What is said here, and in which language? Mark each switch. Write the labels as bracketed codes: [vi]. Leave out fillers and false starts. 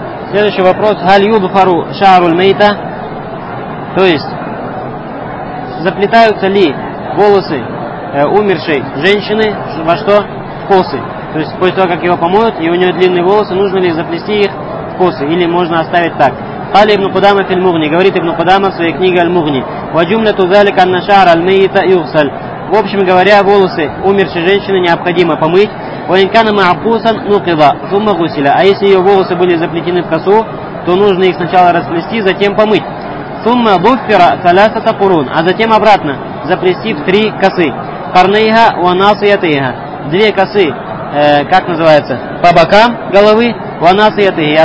[ru] Следующий вопрос. [ar] Галь юдхару шааруль мейта? [ru] То есть, заплетаются ли волосы умершей женщины во что? В косы. То есть, после того, как его помоют, и у нее длинные волосы, нужно ли заплести их в косы? Или можно оставить так? [ar] قال ابن قدامة في المغني, [ru] говорит ابن قدامة в своей книге المغني, [ar] وجملة ذلك أن شعر الميت يغسل. [ru] В общем говоря, волосы умершей женщины необходимо помыть. [ar] وإن كان معقوسا نقض ثم غسل. [ru] А если ее волосы были заплетены в косу, то нужно их сначала расплести, затем помыть. [ar] ثم ضفر ثلاثة قرون. [ru] А затем обратно заплести в три косы. [ar] قرنيها وناصيتيها. [ru] Две косы, как называется, по бокам головы, وناصيتيها.